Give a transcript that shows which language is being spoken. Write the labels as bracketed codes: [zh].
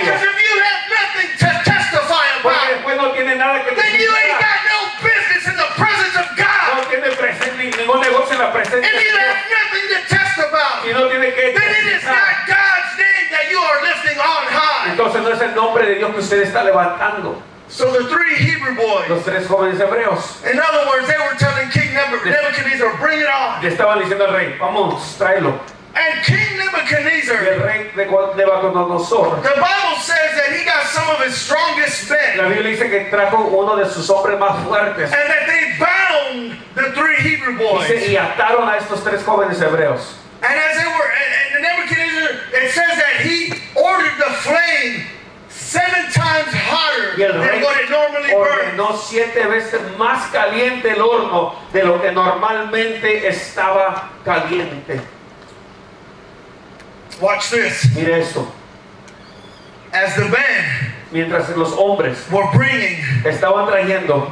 [en] Because if you have nothing to testify about, [es] no tiene nada que [en] then you ain't got no business in the presence of God. [es] No tiene ningún negocio en la presencia. [en] If you have nothing to test about, [es] y no tiene que [en] then it is not God's name that you are lifting on high. [es] Entonces no es el nombre de Dios que usted está levantando. [en] So the three Hebrew boys. [es] Los tres jóvenes hebreos. [en] In other words, they were telling King Nebuchadnezzar, bring it on. [es] Le estaban diciendo al rey, vamos, tráelo. [en] And King Nebuchadnezzar. [es] El rey de Nebuchadnezzar. [en] The Bible says that he got some of his strongest men. [es] La Biblia dice que trajo uno de sus hombres más fuertes. [en] And that they bound the three Hebrew boys. [es] Dice, y ataron a estos tres jóvenes hebreos. [en] And as they were, and Nebuchadnezzar, it says that he ordered the flame 7 times hotter than what it normally burns. [es] No, 7 veces más caliente el horno de lo que normalmente estaba caliente. [en] Watch this. [es] Mire esto. [en] As the band, [es] mientras los hombres [en] were bringing, [es] estaban trayendo